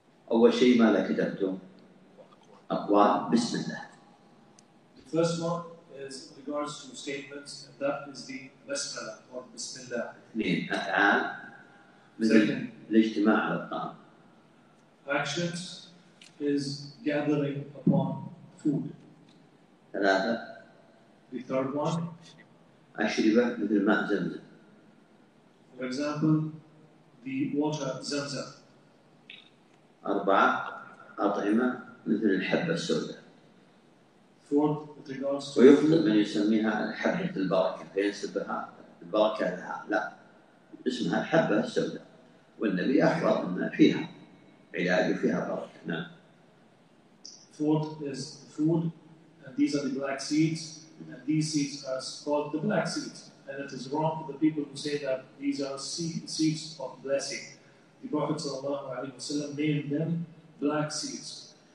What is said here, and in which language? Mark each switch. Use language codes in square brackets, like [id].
[ar] أول شيء ماذا كتبتم؟ أقوال بسم الله. [en] The first one is regards to statements, and that is the Bismillah or Bismillah. [ar] أفعال. Second. الاجتماع على الطعام. [en] actions is gathering upon food. [ar] ثلاثة. [en] The third one. [ar] أشرب مثل ماء زمزم. [en] For example, the water زمزم. [ar] أربعة. أطعمة مثل الحبة السوداء. [en] Fourth, with regards to. [ar] ويفضل من يسميها الحبة البركة فينسبها البركة لها لا اسمها الحبة السوداء والنبي أخبر أن فيها علاج فيها بركة نعم. [en] Fourth is food and these are the black seeds and these seeds are called the black seeds and it is wrong for the people who say that these are seeds of blessing. The Prophet صلى الله عليه وسلم named them black seeds.